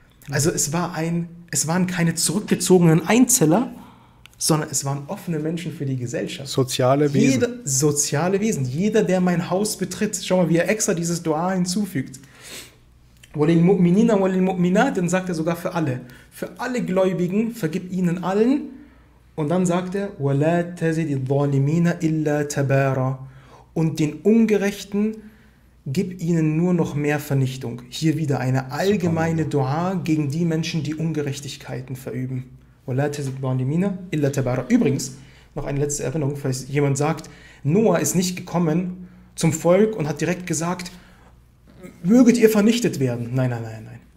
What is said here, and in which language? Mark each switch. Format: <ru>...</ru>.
<de>Also es waren keine zurückgezogenen Einzeller, sondern es waren offene Menschen für die Gesellschaft. Soziale Wesen. Soziale Wesen. Jeder, der mein Haus betritt, schau mal, wie er extra dieses Dua hinzufügt.</de> <ar>Walil mu'minina walil mu'minat,</ar> <de>dann sagt er sogar für alle. Für alle Gläubigen, vergib ihnen allen. Und dann sagt er,</de> <ar>وَلَا تَزِدِ الظَّالِمِينَ إِلَّا تَبَارَ.</ar> <de>Und den Ungerechten gib ihnen nur noch mehr Vernichtung. Hier wieder eine allgemeine Dua gegen die Menschen, die Ungerechtigkeiten verüben.</de> <ar>وَلَا تَزِدِ الظَّالِمِينَ إِلَّا تَبَارَ.</ar> <de>Übrigens, noch eine letzte Erinnerung, falls jemand sagt, Noah ist nicht gekommen zum Volk und hat direkt gesagt, möget ihr vernichtet werden. Nein, nein, nein, nein.</de>